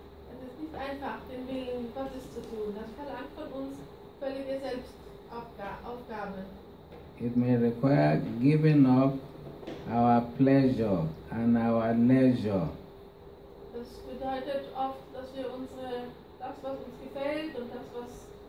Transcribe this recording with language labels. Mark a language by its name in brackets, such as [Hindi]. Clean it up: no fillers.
[German] Es ist nicht einfach, den Willen Gottes zu tun. Das verlangt von uns völlige Selbstaufgabe. [English] It may require giving up our pleasure and our leisure. [German] Das bedeutet oft, dass wir das, was uns gefällt und das, was